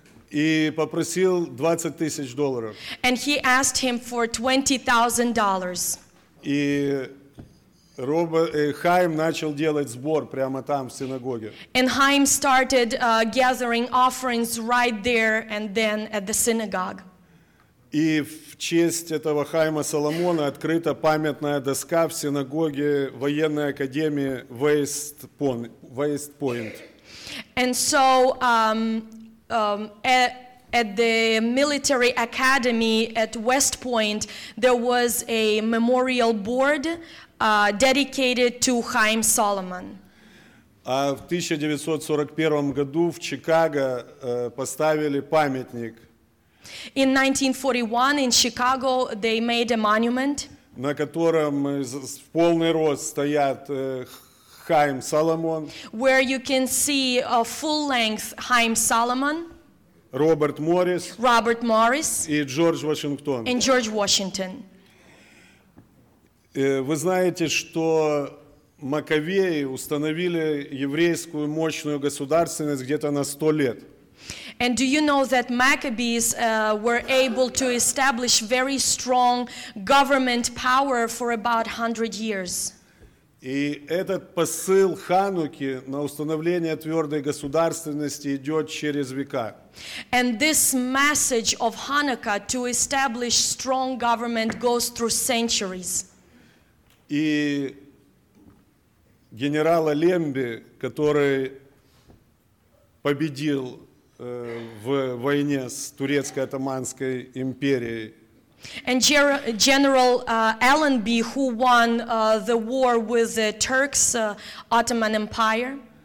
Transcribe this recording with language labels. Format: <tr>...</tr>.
<ru>И попросил 20 тысяч долларов.</ru> <en>And he asked him for $20,000.</en> <ru>И Хаим начал делать сбор прямо там, в синагоге.</ru> <en>And Chaim started gathering offerings right there and then at the synagogue.</en> <ru>И в честь этого Хаима Соломона открыта памятная доска в синагоге военной академии West Point.</ru> <en>And so at the military academy at West Point there was a memorial board dedicated to Chaim Solomon.</en> <ru>А в 1941 году в Чикаго поставили памятник.</ru> <en>In 1941 in Chicago they made a monument.</en> <ru>На котором в полный рост стоят Хаим Соломон.</ru> <en>Where you can see a full length Chaim Solomon.</en> <ru>Роберт Моррис.</ru> <en>Robert Morris.</en> <ru>И Джордж Вашингтон.</ru> <en>And George Washington.</en> <ru>Вы знаете, что Маковеи установили еврейскую мощную государственность где-то на 100 лет.</ru> <en>And do you know that Maccabees were able to establish very strong government power for about 100 years?</en> <ru>И этот посыл Хануки на установление твердой государственности идет через века.</ru> <en>And this message of Hanukkah to establish strong government goes through centuries.</en> <ru>И генерал Алемби, который победил в войне с турецкой атаманской империей.</ru> <en>And General Allenby, who won the war with the Turks, Ottoman Empire.</en>